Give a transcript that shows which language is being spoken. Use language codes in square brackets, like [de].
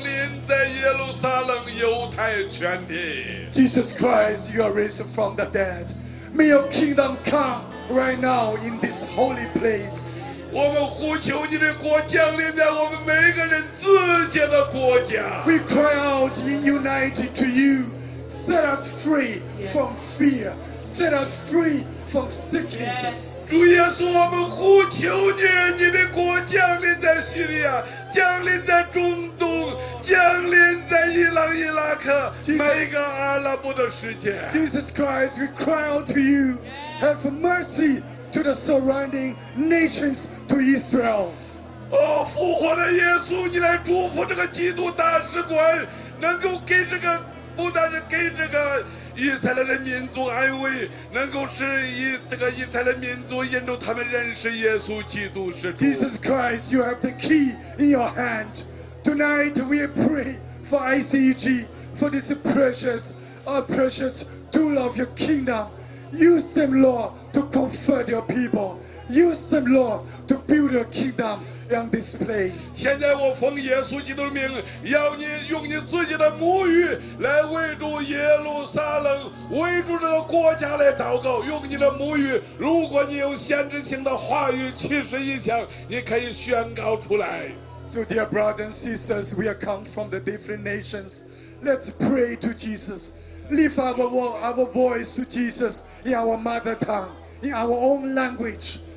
[zh] 从死里复活的耶稣，愿你的国降临在耶路撒冷、犹太全地。 [en] Jesus Christ, you are risen from the dead. May your kingdom come right now in this holy place. [zh] 我们呼求你的国降临在我们每个人自己的国家。 [en] We cry out in united to you. Set us free from fear. Set us free from sicknesses. [zh] 主耶稣，我们呼求你，你的国降临在叙利亚，降临在中东，降临在伊朗、伊拉克，每个阿拉伯的世界。 [en] Jesus Christ, we cry out to you. Have mercy to the surrounding nations, to Israel. [zh] 哦，复活的耶稣，你来祝福这个基督大使馆，能够给这个。不但是给这个以色列的民族安慰，能够使这个以色列民族引入他们认识耶稣基督是主。 [en] Jesus Christ, you have the key in your hand. Tonight we pray for ICEG, for this precious, precious tool of your kingdom. Use them, Lord, to comfort your people. Use them, Lord, to build your kingdom. In this place. [zh] 现在我奉耶稣基督的名，要你用你自己的母语来为主耶路撒冷，为主这个国家来祷告。用你的母语，如果你有先知性的话语，其实一想，你可以宣告出来。 [en] So dear brothers and sisters, we are come from the different nations. Let's pray to Jesus. Lift our voice to Jesus in our mother tongue, in our own language.